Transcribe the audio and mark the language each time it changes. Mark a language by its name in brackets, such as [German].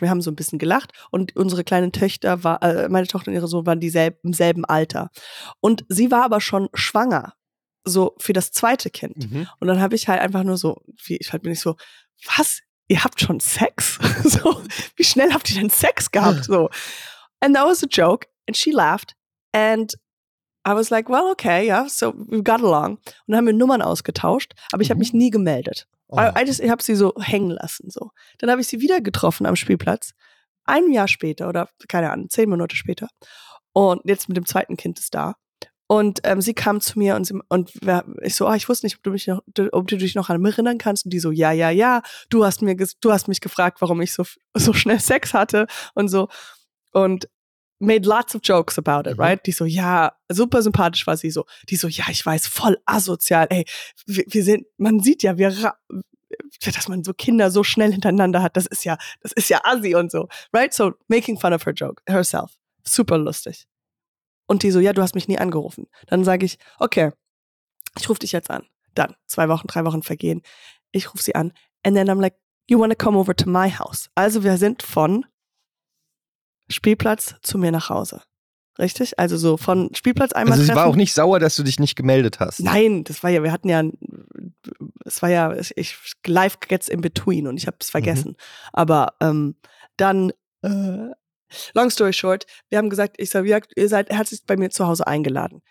[German] Wir haben so ein bisschen gelacht und unsere kleinen Töchter war, meine Tochter und ihre Sohn waren dieselben, im selben Alter. Und sie war aber schon schwanger, so für das zweite Kind. Mhm. Und dann habe ich halt einfach nur so, wie, ich halt bin ich so, was? Ihr habt schon Sex? So, wie schnell habt ihr denn Sex gehabt? [English] So. And that was a joke. And she laughed. And I was like, well, okay, yeah, so we got along. [German] Und dann haben wir Nummern ausgetauscht, aber ich habe mich nie gemeldet. Ich habe sie so hängen lassen. So. Dann habe ich sie wieder getroffen am Spielplatz, ein Jahr später oder, keine Ahnung, 10 Minuten später. Und jetzt mit dem zweiten Kind ist da. Und sie kam zu mir und, ich so, oh, ich wusste nicht, ob du dich noch an mich erinnern kannst. Und die so, ja, du hast mich gefragt, warum ich so schnell Sex hatte und so. [English] Und made lots of jokes about it, right? [German] Die so, ja, super sympathisch war sie so. Die so, ja, ich weiß, voll asozial. Ey, dass man so Kinder so schnell hintereinander hat, das ist ja assi und so. [English] Right? So, making fun of her joke, herself. [German] Super lustig. Und die so, ja, du hast mich nie angerufen. Dann sage ich, okay, ich rufe dich jetzt an. Dann, 2 Wochen, 3 Wochen vergehen. Ich rufe sie an. [English] And then I'm like, you wanna come over to my house? [German] Also, wir sind von Spielplatz zu mir nach Hause. Richtig? Also so von Spielplatz einmal treffen. Also sie war auch nicht sauer, dass du dich nicht gemeldet hast. Nein, das war ja, wir hatten ja, es war ja, ich [English] live gets in between [German] und ich habe es vergessen. Mhm. Aber [English] long story short, [German] wir haben gesagt, ich sag, ihr seid herzlich bei mir zu Hause eingeladen.